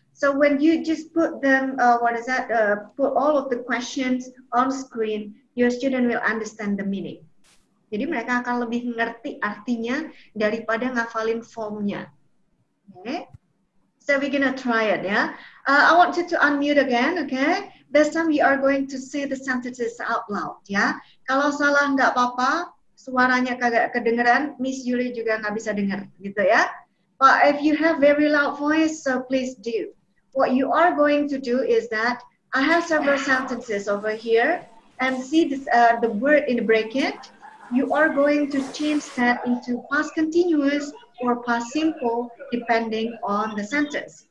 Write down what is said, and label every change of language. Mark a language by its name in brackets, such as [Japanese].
[English] So when you just put them, put all of the questions on screen, your student will understand the meaning. [Indonesian] Jadi mereka akan lebih ngerti artinya daripada ngafalin formnya. Okay? [English] So we're gonna try it, ya. Yeah? I want you to unmute again, okay? This time we are going to say the sentences out loud, ya. Yeah? [Indonesian] Kalau salah nggak apa-apa, suaranya kagak kedengeran, Miss Yuli juga nggak bisa dengar, gitu ya. [English] But if you have very loud voice, so please do. What you are going to do is that I have several sentences over here and see this, the word in the bracket. You are going to change that into past continuous or past simple depending on the sentence.